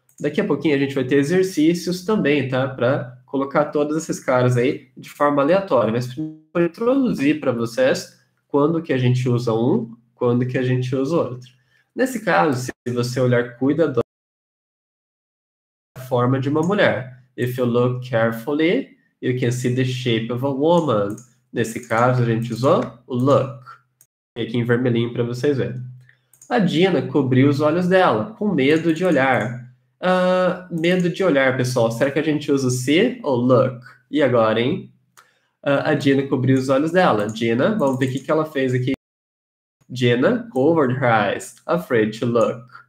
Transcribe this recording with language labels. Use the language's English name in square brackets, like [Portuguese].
[Portuguese] Daqui a pouquinho a gente vai ter exercícios também, tá? Para colocar todos esses caras aí de forma aleatória. Mas primeiro vou introduzir para vocês quando que a gente usa um, quando que a gente usa outro. Nesse caso, se você olhar cuidadosamente, a forma de uma mulher. [English] If you look carefully, you can see the shape of a woman. [Portuguese] Nesse caso, a gente usou o look. Aqui em vermelhinho para vocês verem. A Dina cobriu os olhos dela com medo de olhar. Medo de olhar, pessoal. Será que a gente usa see ou look? E agora, hein? A Gina cobriu os olhos dela. Gina, vamos ver o que ela fez aqui. [English] Gina covered her eyes, afraid to look.